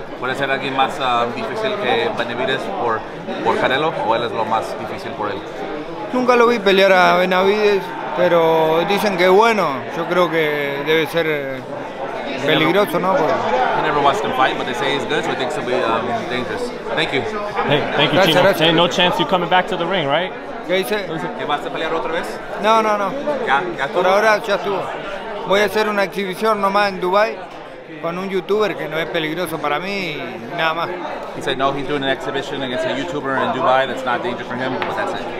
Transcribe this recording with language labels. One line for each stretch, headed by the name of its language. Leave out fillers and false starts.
Spanish: ¿Puede ser alguien más difícil que Benavidez por Canelo, o él es lo más difícil por él? Nunca lo vi pelear a Benavidez, pero dicen que bueno. Yo creo que debe ser. Peligroso, ¿no?
English: He never watched him fight, but they say he's good, so he thinks he'll be dangerous. Thank you. Hey, thank you, Chino.
Spanish: Gracias.
English: Hey, no chance you coming back to the ring, right?
Spanish: ¿Qué dice? ¿Que vas a pelear otra vez? No. ¿Ya por ahora ya estuvo. Voy a hacer una exhibición nomás en Dubai, con un youtuber que no es peligroso para mí, nada más.
English: He said no, he's doing an exhibition against a youtuber in Dubai that's not dangerous for him, but that's it.